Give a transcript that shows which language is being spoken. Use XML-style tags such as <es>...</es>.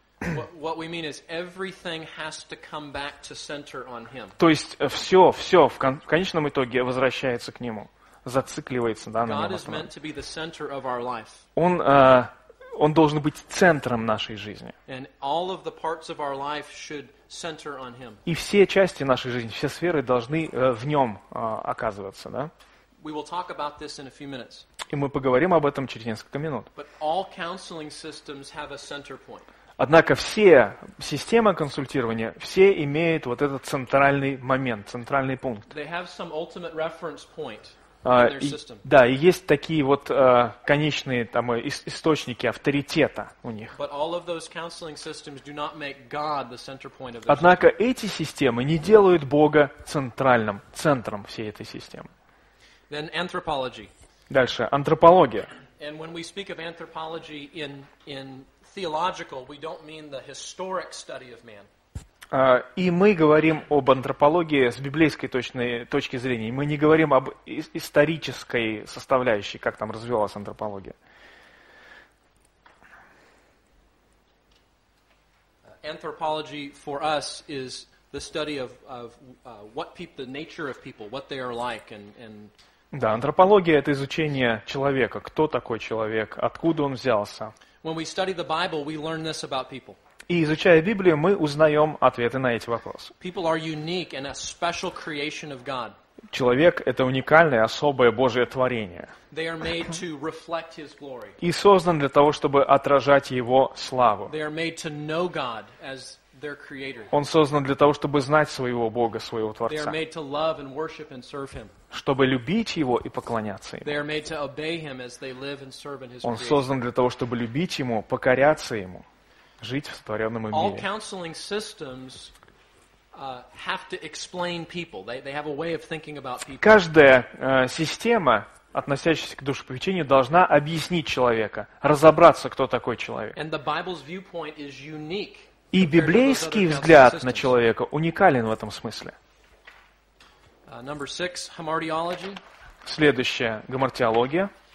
<en>What we mean is everything has to come back to center on him.</en> <ru>То есть все, все в конечном итоге возвращается к нему, зацикливается, да, на нем.</ru> <en>God is meant to be the center of our life.</en> <ru>Он должен быть центром нашей жизни.</ru> <en>And all of the parts of our life should center on him.</en> <ru>И все части нашей жизни, все сферы должны в нем оказываться, да?</ru> <en>We will talk about this in a few minutes.</en> <ru>И мы поговорим об этом через несколько минут.</ru> <en>But all counseling systems have a center point.</en> <ru>Однако все системы консультирования, все имеют вот этот центральный момент, центральный пункт.</ru> <en>They have some ultimate reference point in their system.</en> <ru>Да, и есть такие вот конечные там, источники авторитета у них.</ru> <en>But all of those counseling systems do not make God the center point of their system.</en> <ru>Однако эти системы не делают Бога центральным, центром всей этой системы.</ru> <en>Then anthropology.</en> <ru>Дальше, антропология.</ru> <en>And when we speak of anthropology in theological, we don't mean the historic study of man.</en> <ru>И мы говорим об антропологии с библейской точки зрения. Мы не говорим об исторической составляющей, как там развивалась антропология.</ru> <en>Anthropology for us is the study of what people, the nature of people, what they are like, and</en> <ru>да, антропология — это изучение человека. Кто такой человек? Откуда он взялся?</ru> <en>When we study the Bible, we learn this about people.</en> <ru>И изучая Библию, мы узнаем ответы на эти вопросы.</ru> <en>People are unique and a special creation of God.</en> <ru>Человек — это уникальное, особое Божье творение.</ru> <en>They are made to reflect His glory.</en> <ru>И создан для того, чтобы отражать Его славу.</ru> <en>They are made to know God as their creator.</en> <ru>Он создан для того, чтобы знать своего Бога, своего Творца.</ru> <en>They are made to love and worship and serve Him.</en> <ru>Чтобы любить Его и поклоняться Ему.</ru> <en>They are made to obey Him as they live and serve in His creation.</en> <ru>Он создан для того, чтобы любить Ему, покоряться Ему, жить в сотворенном мире.</ru> <en>All counseling systems have to explain people. They have a way of thinking about people.</en> <ru>Каждая система, относящаяся к душепопечению, должна объяснить человека, разобраться, кто такой человек.</ru> <en>And the Bible's viewpoint is unique.</en> <ru>И библейский взгляд на человека уникален в этом смысле.</ru> <en>Number six, hamartiology.</en> <ru>Следующая гамартиология.</ru>